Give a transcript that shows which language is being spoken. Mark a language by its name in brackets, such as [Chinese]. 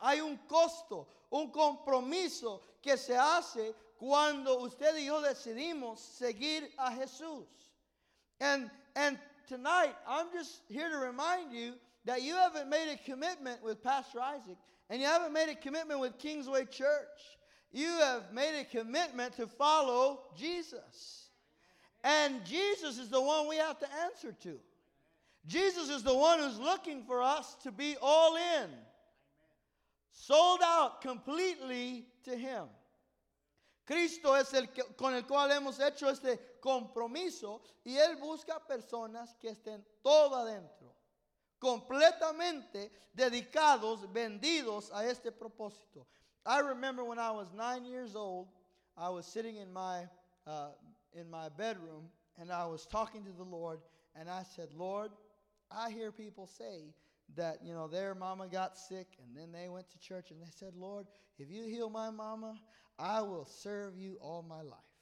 [Spanish] Hay un costo, un compromiso que se hace cuando usted y yo decidimos seguir a Jesús. [English] And tonight, I'm just here to remind you that you haven't made a commitment with Pastor Isaac, and you haven't made a commitment with Kingsway Church. You have made a commitment to follow Jesus. And Jesus is the one we have to answer to. Jesus is the one who's looking for us to be all in, sold out completely to him. [Spanish] Cristo es el que, con el cual hemos hecho este compromiso, y él busca personas que estén todo adentro, completamente dedicados, vendidos a este propósito. [English] I remember when I was 9 years old, I was sitting in my bedroom, and I was talking to the Lord, and I said, Lord, I hear people say that, you know, their mama got sick, and then they went to church, and they said, Lord, if you heal my mama, I will serve you all my life.